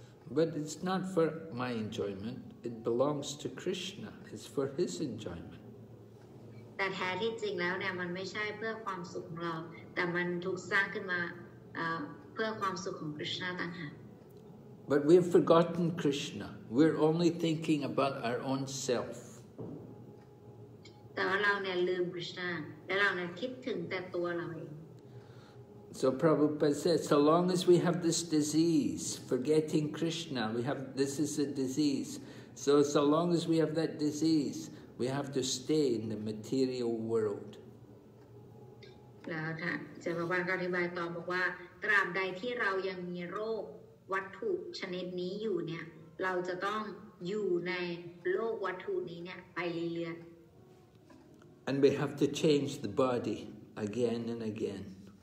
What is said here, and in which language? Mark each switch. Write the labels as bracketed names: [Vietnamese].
[English] But it's not for my enjoyment, it belongs to Krishna, it's for his enjoyment. But we've forgotten Krishna. We're only thinking about our own self. [Thai] แต่ว่าเราเนี่ยลืมคริสต์นะแล้วเราเนี่ยคิดถึงแต่ตัวเราเอง [English] So Prabhupada said, so long as we have this disease, forgetting Krishna, this is a disease. So long as we have that disease, we have to stay in the material world. And we have to change the body again and again.